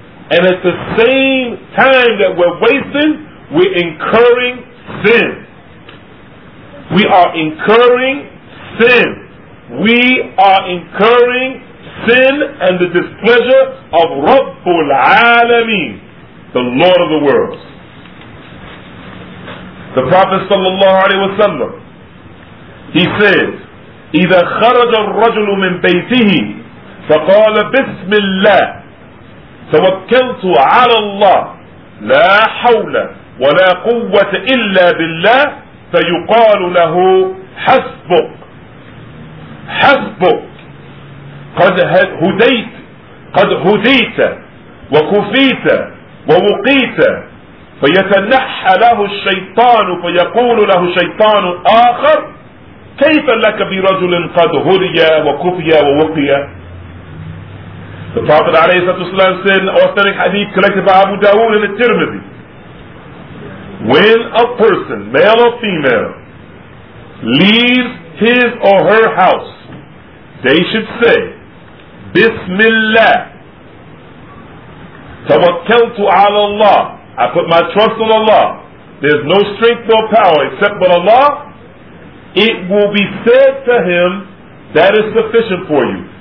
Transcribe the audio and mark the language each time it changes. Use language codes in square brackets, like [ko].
[en] And at the same time that we're wasting, we're incurring sin. We are incurring sin. We are incurring sin and the displeasure of Rabbul Alameen, the Lord of the worlds. The Prophet sallallahu alayhi wa sallam, he says, [ar] إِذَا خَرَجَ الرَّجُلُ مِنْ بَيْتِهِ فَقَالَ بِسْمِ اللَّهِ تَوَكَّلْتُ عَلَى اللَّهِ لَا حَوْلَ وَلَا قُوَّةَ إِلَّا بِاللَّهِ فَيُقَالُ لَهُ حَسْبُكَ حَسْبُكَ قَدْ هُدَيْتَ قَدْ هُدَيْتَ وَكُفِيتَ وَوُقِيتَ فَيَتَنَحَّى لَهُ الشَّيْطَانُ فَيَقُولُ لَهُ شَيْطَانُ آخَرُ كَيْفَ لَكَ بِرَجُلٍ قَدْ هُدِيَ وَكُفِيَ وَوُقِيَ. [en] The Prophet [ar] عليه الصلاة والسلام [en] said, authentic hadith collected by Abu Dawood and Tirmidhi, when a person, male or female, leaves his or her house, they should say, Bismillah, Tawakkaltu ala Allah, I put my trust on Allah, there's no strength or power except but Allah, it will be said to him, that is sufficient for you.